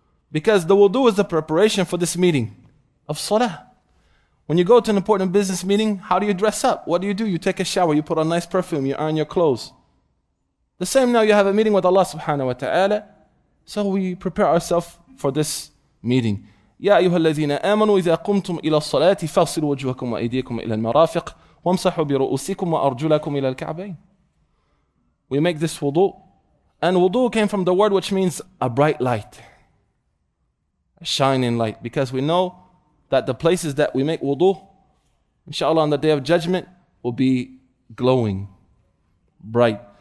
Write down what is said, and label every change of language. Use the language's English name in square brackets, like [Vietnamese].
[English] Because the wudu is the preparation for this meeting of salah. When you go to an important business meeting, how do you dress up? What do? You take a shower, you put on nice perfume, you iron your clothes. The same now you have a meeting with Allah subhanahu wa ta'ala. So we prepare ourselves for this meeting. [Arabic] يا أيها الذين آمنوا إذا قمتم إلى الصلاة فاغسلوا وجوهكم وأيديكم إلى المرافق وامسحوا برؤوسكم وأرجلكم إلى الكعبين. [English] We make this wudu, and wudu came from the word which means a bright light, a shining light, because we know that the places that we make wudu, inshallah, on the day of judgment will be glowing, bright.